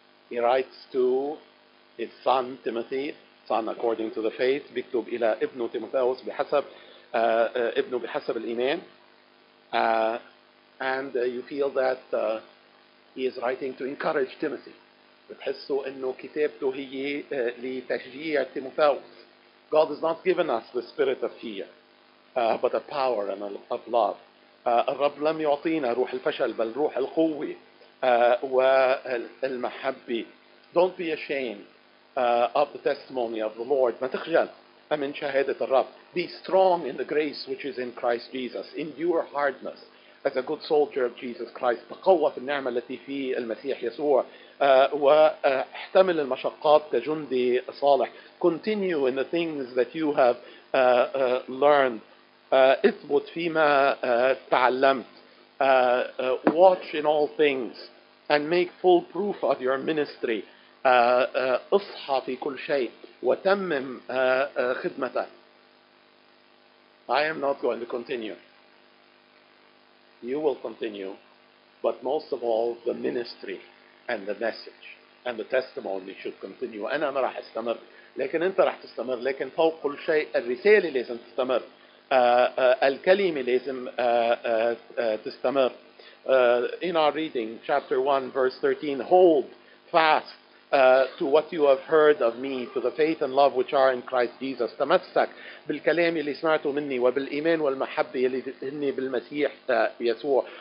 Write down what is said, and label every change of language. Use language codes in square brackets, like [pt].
[en] He writes to his son Timothy, son according to the faith. [ar] بيكتب إلى ابنه تيموثاوس بحسب ابنه بحسب الإيمان. [en] And you feel that he is writing to encourage Timothy. [ar] بتحسوا إنه كتابته هي لتشجيع تيموثاوس. [en] God has not given us the spirit of fear, but a power and of love. [ar] الرب لم يعطينا روح الفشل بل روح القوة والمحبة. [en] Don't be ashamed of the testimony of the Lord. [ar] ما تخجل من شهادة الرب. [en] Be strong in the grace which is in Christ Jesus. Endure hardness as a good soldier of Jesus Christ. [ar] تقوى في النعمة التي في المسيح يسوع واحتمل المشقات كجندي صالح. [en] Continue in the things that you have learned. [ar] اثبت فيما تعلمت. [en] Watch in all things and make full proof of your ministry. [ar] اصحى في كل شيء وتمم خدمته. [en] I am not going to continue. You will continue, but most of all the ministry and the message and the testimony should continue. [ar] أنا ما راح استمر لكن أنت راح تستمر, لكن فوق كل شيء الرسالة لازم تستمر, الكلمة لازم تستمر, [en] in our reading, chapter 1, verse 13, hold fast to what you have heard of me, to the faith and love which are in Christ Jesus. [ar] تمسك بالكلام اللي سمعته مني وبالإيمان والمحبة اللي هني بالمسيح يسوع.